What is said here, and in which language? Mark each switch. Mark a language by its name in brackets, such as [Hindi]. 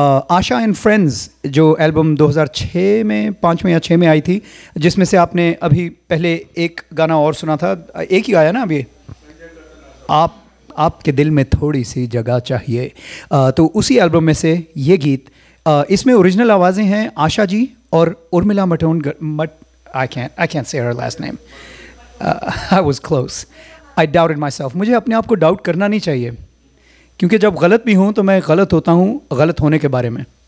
[Hindi] Asha and friends जो album 2006 में पाँचवें या छः में आई थी, जिसमें से आपने अभी पहले एक गाना और सुना था, एक ही गाया ना अभी, आपके दिल में थोड़ी सी जगह चाहिए, तो उसी एल्बम में से ये गीत. इसमें ओरिजिनल आवाज़ें हैं आशा जी और उर्मिला मटोन मट [English] I can say her last name. I was close. I doubted myself. [Hindi] मुझे अपने आप को डाउट करना नहीं चाहिए, क्योंकि जब गलत भी हूँ तो मैं गलत होता हूँ गलत होने के बारे में.